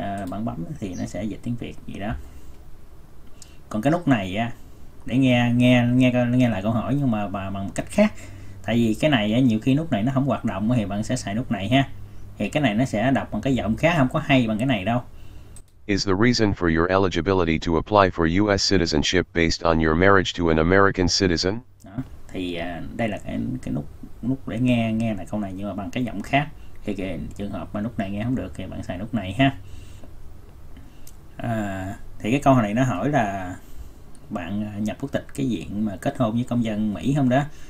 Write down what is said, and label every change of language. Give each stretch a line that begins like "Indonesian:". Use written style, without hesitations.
Vietnamese: Bạn bấm thì nó sẽ dịch tiếng Việt gì đó. Còn cái nút này á để nghe nghe nghe nghe lại câu hỏi nhưng mà bằng một cách khác, tại vì cái này nhiều khi nút này nó không hoạt động thì bạn sẽ xài nút này ha. Thì cái này nó sẽ đọc bằng cái giọng khác, không có hay bằng cái này đâu.
English: Is the reason for your eligibility to apply for U.S. citizenship based on your marriage to an American citizen?
Vietnamese: Thì đây là cái nút nút để nghe nghe lại câu này nhưng mà bằng cái giọng khác. Thì cái trường hợp mà nút này nghe không được thì bạn xài nút này ha. Thì cái câu này nó hỏi là bạn nhập quốc tịch cái diện mà kết hôn với công dân Mỹ không đó.